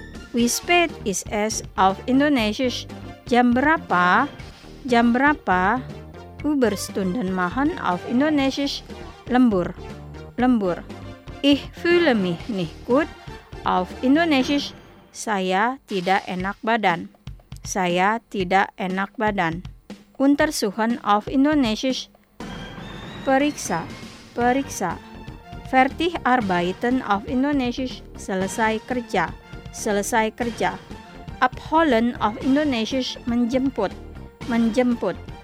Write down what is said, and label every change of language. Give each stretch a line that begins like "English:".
German: Wie spät ist es, auf Indonesisch,
Indonesian: jam berapa, jam berapa.
German: Überstunden machen auf Indonesisch lembur, lembur. Ich fühle mich nicht gut auf Indonesisch.
Indonesian: Saya tidak enak badan, saya tidak enak badan.
German: Untersuchen auf Indonesisch periksa, periksa. Fertig arbeiten auf Indonesisch
Indonesian: selesai kerja.
German: Abholen auf Indonesisch menjemput, menjemput.